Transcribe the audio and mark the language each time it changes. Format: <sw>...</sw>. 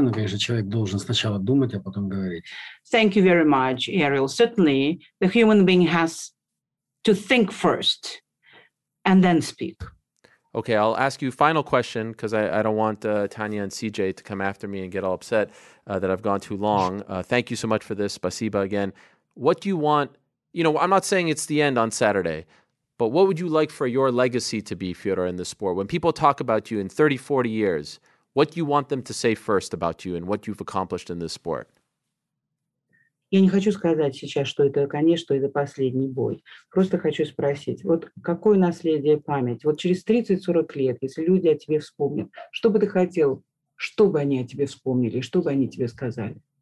<ru>Но, конечно, человек должен сначала думать, а потом говорить.</ru> <en>Thank you very much, Ariel. Certainly, the human being has to think first and then speak. Okay, I'll ask you final question because I don't want Tanya and CJ to come after me and get all upset that I've gone too long. Thank you so much for this, Spasiba, again. What do you want? You know, I'm not saying it's the end on Saturday, but what would you like for your legacy to be, Fedor, in the sport? When people talk about you in 30, 40 years, what do you want them to say first about you and what you've accomplished in this sport?</en> <ru>Я не хочу сказать сейчас, что это конец, что это последний бой. Просто хочу спросить, вот какое наследие, память? Вот через 30-40 лет, если люди о тебе вспомнят, что бы ты хотел, чтобы они о тебе вспомнили, что бы они тебе сказали?</ru>